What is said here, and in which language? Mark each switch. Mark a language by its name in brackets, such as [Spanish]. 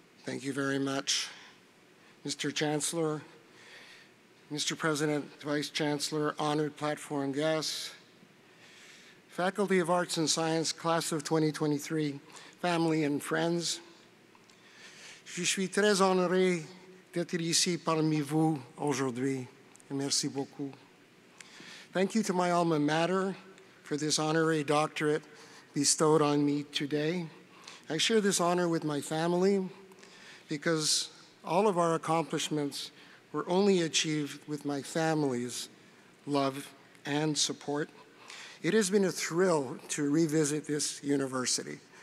[English] Thank you very much, Mr. Chancellor, Mr. President, Vice Chancellor, honored platform guests, Faculty of Arts and Science, Class of 2023, family and friends. [French] Je suis très honoré d'être ici parmi vous aujourd'hui. Merci beaucoup. [English] Thank you to my alma mater for this honorary doctorate bestowed on me today. I share this honor with my family because all of our accomplishments were only achieved with my family's love and support. It has been a thrill to revisit this university.